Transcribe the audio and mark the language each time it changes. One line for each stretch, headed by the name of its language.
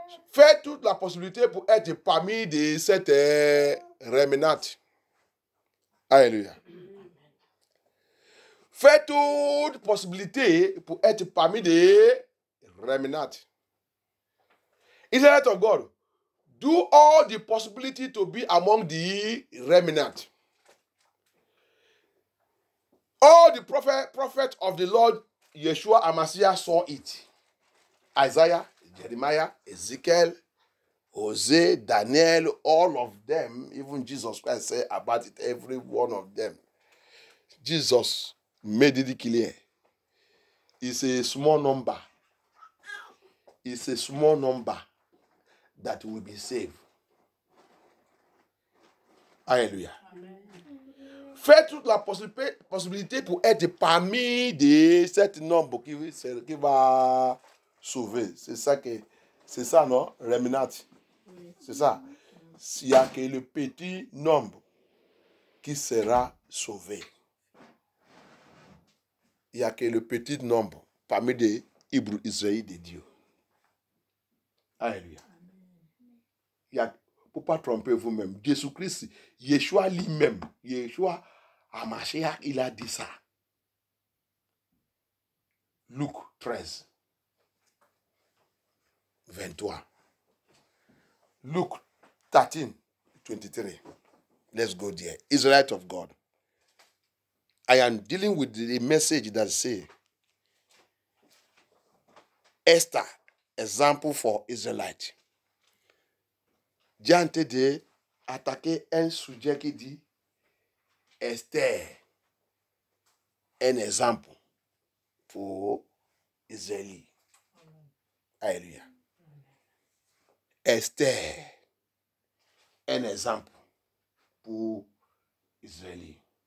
French: Faire toute la possibilité pour être parmi de cette remnant. Alléluia. Fais toute possibilité pour être parmi des remnants.
English: Israelite of God, do all the possibility to be among the remnants. All the prophets of the Lord Yeshua Amasiah saw it. Isaiah, Jeremiah, Ezekiel, Hosea, Daniel, all of them, even Jesus Christ said about it, every one of them. Jesus made it clear. It's a small number. It's a small number that will be saved. Hallelujah. Amen.
French: Fait toute la possibilité pour être parmi de cet nombre qui va sauver. C'est ça que c'est ça, non? Remnant. C'est ça. S'il y a que le petit nombre qui sera sauvé. Il n'y a que le petit nombre parmi les Hébreux Israélites de Dieu. Alléluia. Il y a, pour ne pas tromper vous-même, Jésus-Christ, Yeshua lui-même, Yeshua Amashiach, il a dit ça. Luc 13, 23.
English: Luc 13, 23. Let's go there. Israelite of God. I am dealing with the message that say Esther, example for Israelite.
French: J'ai entendu attaquer un sujet qui dit Esther, un exemple pour Israélite. Alléluia. Esther, un exemple pour Israélite.